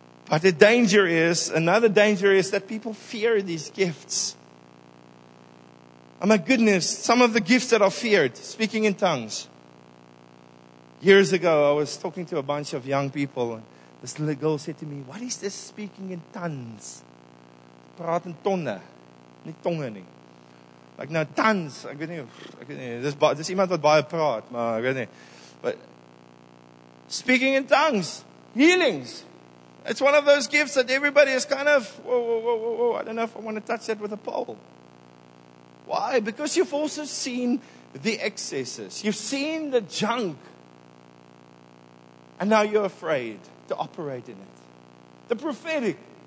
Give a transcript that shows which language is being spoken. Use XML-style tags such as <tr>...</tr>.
<en>But the danger is, another danger is that people fear these gifts. Oh my goodness, some of the gifts that are feared, speaking in tongues. Years ago, I was talking to a bunch of young people. And this little girl said to me, what is this speaking in tongues?</en> <af>Praat in tonne, nie tonge nie.</af> <en>Like, no, tongues. There's</en> <af>iemand wat baie praat, maar ek weet nie.</af> <en>But speaking in tongues, healings. It's one of those gifts that everybody is kind of, whoa, I don't know if I want to touch that with a pole. Why? Because you've also seen the excesses. You've seen the junk. And now you're afraid to operate in it. The prophetic.</en>